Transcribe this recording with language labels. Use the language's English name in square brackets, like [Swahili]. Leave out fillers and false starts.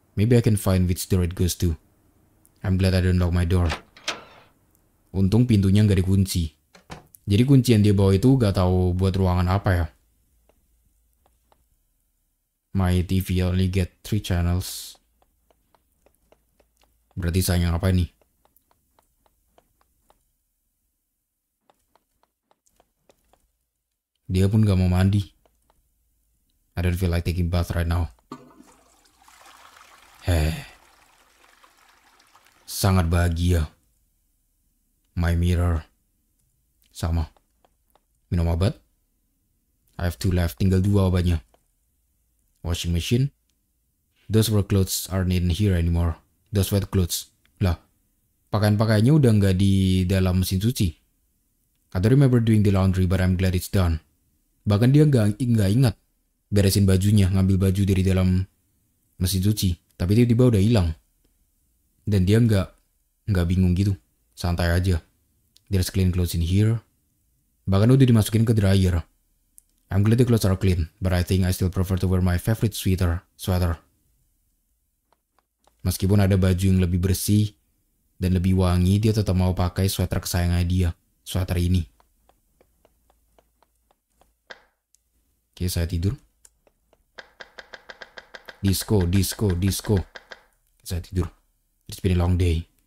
[English] Maybe I can find which door it goes to. I'm glad I didn't lock my door. [Indonesian] Untung pintunya nggak dikunci. Jadi kunci yang dia bawa itu nggak tahu buat ruangan apa ya. [English] My TV only get 3 channels. [Indonesian] Berarti sayang apa ini? Dia pun gak mau mandi. [English] I don't feel like taking bath right now. [Indonesian] Sangat bahagia. [English] My mirror. [Indonesian] Sama. Minum obat? [English] I have 2 left. [Indonesian] Tinggal 2 obatnya. [English] Washing machine? Those were clothes aren't in here anymore. Those wet clothes. [Indonesian] Lah, pakaian-pakaiannya udah nggak di dalam mesin cuci. [English] I don't remember doing the laundry, but I'm glad it's done. [Indonesian] Bahkan dia nggak ingat beresin bajunya, ngambil baju dari dalam mesin cuci. Tapi tiba-tiba udah hilang. Dan dia nggak bingung gitu. Santai aja. [English] There's clean clothes in here. [Indonesian] Bahkan udah dimasukin ke dryer. [English] I'm glad the clothes are clean, but I think I still prefer to wear my favorite sweater. [Indonesian] Meskipun ada baju yang lebih bersih dan lebih wangi, dia tetap mau pakai sweater kesayangannya dia. Sweater ini. Oke, saya tidur. [English] Disco, disco, disco. [Indonesian] Saya tidur. [English] It's been a long day.